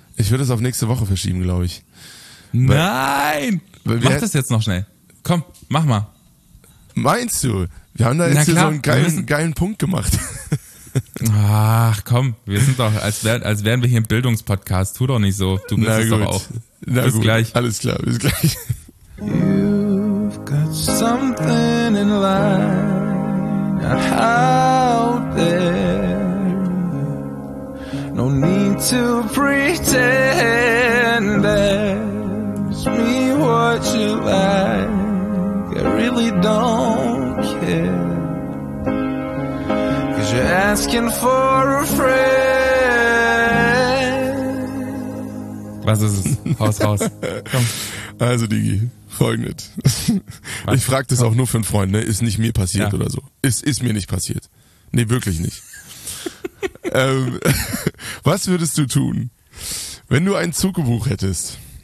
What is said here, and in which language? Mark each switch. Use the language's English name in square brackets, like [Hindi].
[German] Ich würde es auf nächste Woche verschieben, glaube ich. Nein! Mach das jetzt noch schnell. Komm, mach mal. Meinst du? Wir haben da jetzt hier so einen geilen Punkt gemacht. Ach komm, wir sind doch, als wären wir hier im Bildungspodcast. Tu doch nicht so. Du bist es doch auch. Bis gleich. Alles klar, bis gleich. [English] You've got something in life. Out there, no need to pretend. Ask me what you like, I really don't care. 'Cause you're asking for a friend. [German] Was ist es? Haus. Komm. Also, Digi. Folgendes. Ich frage das auch nur für einen Freund, ne? Ist nicht mir passiert oder so. Ist mir nicht passiert. Nee, wirklich nicht. Was würdest du tun, wenn du einen Zug gebucht hättest